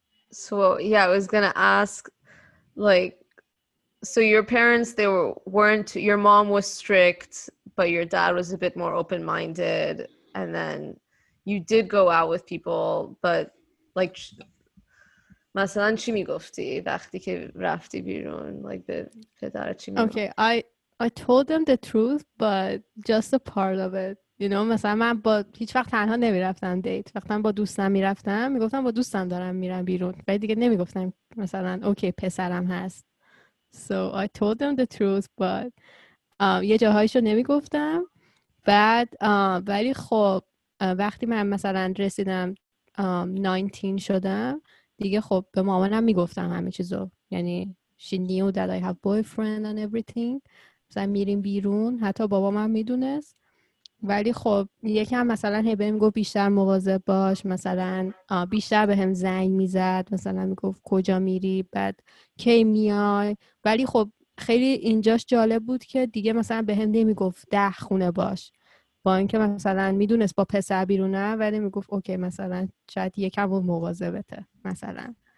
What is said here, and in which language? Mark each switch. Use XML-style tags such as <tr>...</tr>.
<en>So, yeah, I was going to ask, like, so your parents, they weren't, your mom was strict, but your dad was a bit more open-minded. And then you did go out with people, but, like,</en> <fa>مثلاً چی میگفتی وقتی که رفتی بیرون,</fa> <en>like,</en> <fa>به پدرت چی میگفتی?</fa> <en>Okay, I told them the truth, but just a part of it. You know,</en> <fa>مثلا من با هیچ وقت تنها نمیرفتم دیت. وقتی با دوستم میرفتم, میگفتم با دوستم دارم میرم بیرون. ولی دیگه نمیگفتم مثلا اوکی پسرم هست.</fa> <en>So I told them the truth, but</en> <fa>یه جاهایشو نمیگفتم. بعد ولی خب وقتی من مثلا رسیدم 19 شدم, دیگه خب به مامانم میگفتم همه چیزو. یعنی</fa> <en>she knew that I have boyfriend and everything.</en> <fa>مثلا میریم بیرون, حتی بابا من میدونست. ولی خب یکم مثلا هبهم گفت بیشتر مواظب باش, مثلا بیشتر به هم زنگ میزد, مثلا میگفت کجا میری, بعد کی میای. ولی خب خیلی اینجاش جالب بود که دیگه مثلا به هم نمیگفت ده خونه باش, با اینکه مثلا میدونست با پسر بیرونه, ولی میگفت اوکی مثلا شاید یکم بود مواظبته مثلا.</fa>